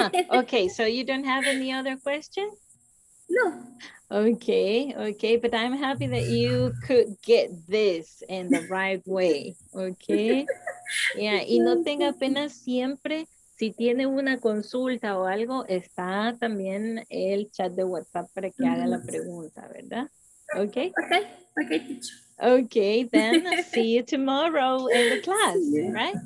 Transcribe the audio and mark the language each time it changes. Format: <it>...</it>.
<en>Okay, so you don't have any other question? No. Okay, but I'm happy that you could get this in the right way, okay?</en> <es>Yeah, y no tenga pena siempre, si tiene una consulta o algo, está también el chat de WhatsApp para que haga la pregunta, ¿verdad?</es> <en>Okay? Okay, teacher. Okay, then see you tomorrow in the class, right?</en>